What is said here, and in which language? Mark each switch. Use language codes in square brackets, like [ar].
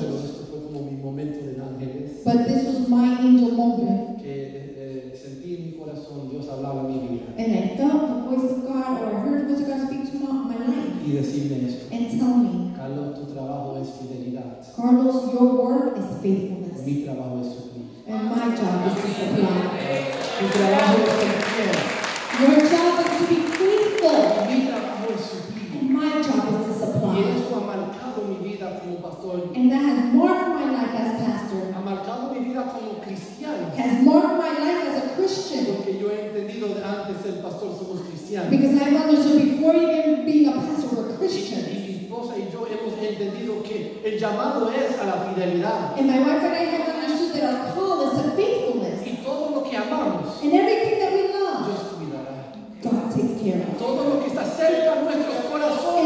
[es] Pero esto fue como mi momento de ángeles. [en] But this was my angel moment. [es] Que sentí en mi corazón Dios hablaba mi vida. [en] And I felt the voice of God, or I heard the voice of God speak to my life. [es] Y decirme esto. [en] And tell me. [es] Carlos, tu trabajo es fidelidad. [en] Carlos, your work is faithfulness. [es] Mi trabajo es suplir. [en] And my job is to supply. [es] Tu trabajo es suplir. [en] Your job is to be faithful. [es] Mi trabajo es suplir. [en] And my job is to supply. [es] Y eso ha marcado mi vida como pastor. [en] And that has marked my life as pastor. [es] Ha marcado mi vida como cristiano. [en] Has marked my life as a Christian. [es] Porque yo he entendido de antes ser pastor somos cristianos. [en] Because I've understood before even being a pastor we're Christians. [es] Y yo hemos entendido que el llamado es a la fidelidad. [en] And my wife and I have understood that our call is to faithfulness. [es] Y todo lo que amamos, [en] and everything that we love, [es] Dios cuidará. [en] God takes care of. [es] Todo lo que está cerca de nuestros corazones,